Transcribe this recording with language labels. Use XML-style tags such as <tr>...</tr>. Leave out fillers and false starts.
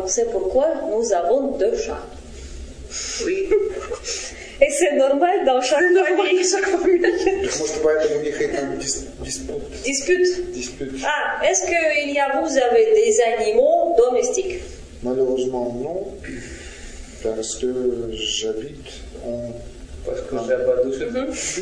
<fr>C'est pourquoi nous avons deux chats. Oui. Et c'est normal dans chaque famille.</fr> <ru>Может, поэтому у них это диспут. Диспут. Диспут.</ru> <fr>А, est-ce que il y a vous avez des animaux domestiques? Malheureusement non, parce que j'habite en. Parce que j'ai pas de chien.</fr>